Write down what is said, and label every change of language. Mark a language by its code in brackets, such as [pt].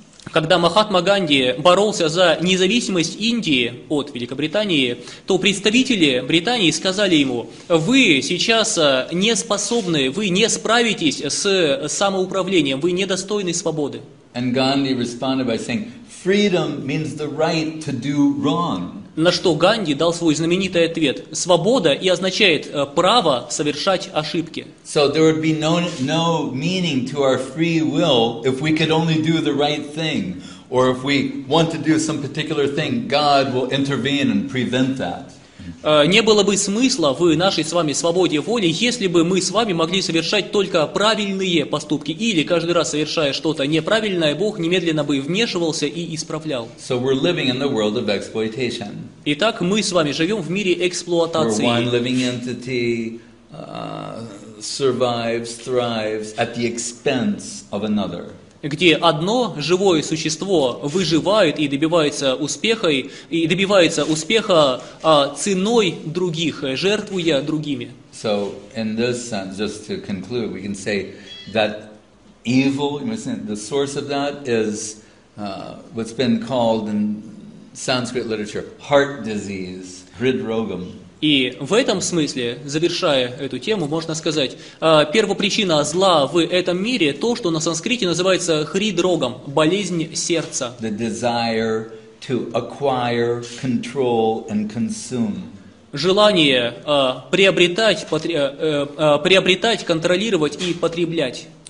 [ru] Когда Махатма Ганди боролся за независимость Индии от Великобритании, то представители Британии сказали ему, вы сейчас не способны, вы не справитесь с самоуправлением, вы недостойны свободы. [en] And Gandhi responded by saying, freedom means the right to do wrong. [ru] На что Ганди дал свой знаменитый ответ, свобода и означает право совершать ошибки. [en] So there would be no meaning to our free will if we could only do the right thing, or if we want to do some particular thing, God will intervene and prevent that. [ru] Не было бы смысла в нашей с вами свободе воли, если бы мы с вами могли совершать только правильные поступки, или каждый раз совершая что-то неправильное, Бог немедленно бы вмешивался и исправлял. [en] So we're living in the world of exploitation. [ru] Итак, мы с вами живем в мире эксплуатации. [en] Where one living entity survives, thrives at the expense of another. [ru] Где одно живое существо выживает и добивается успеха, и добивается успеха ценой других, жертвуя другими. [en] So, in this sense, just to conclude, we can say that evil, the source of that is what's been called in Sanskrit literature, heart disease, hridrogam. [ru] И в этом смысле, завершая эту тему, можно сказать, первопричина зла в этом мире то, что на санскрите называется хридрогом, болезнь сердца. [en] The desire to acquire, control and consume. [ru] Желание приобретать, контролировать и потреблять.